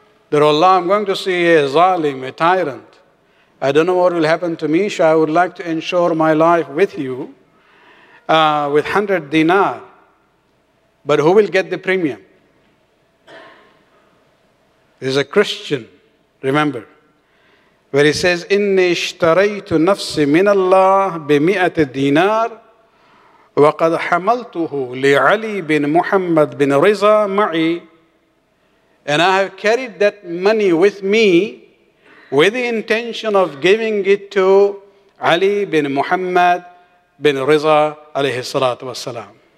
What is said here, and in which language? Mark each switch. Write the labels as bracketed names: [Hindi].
[English] That Allah, I'm going to see a zalim, a tyrant. I don't know what will happen to me, so I would like to insure my life with you with 100 dinar. But who will get the premium? He's a Christian, remember. Where he says, [Arabic] إِنِّي اشْتَرَيْتُ نَفْسِي مِنَ اللَّهِ بِمِئَةِ دِينَارِ وَقَدْ حَمَلْتُهُ لِعَلِي بِن مُحَمَّدْ بِن رِزَى مَعِي. [English] And I have carried that money with me with the intention of giving it to Ali bin Muhammad bin Rizā alayhi salatu wasalam.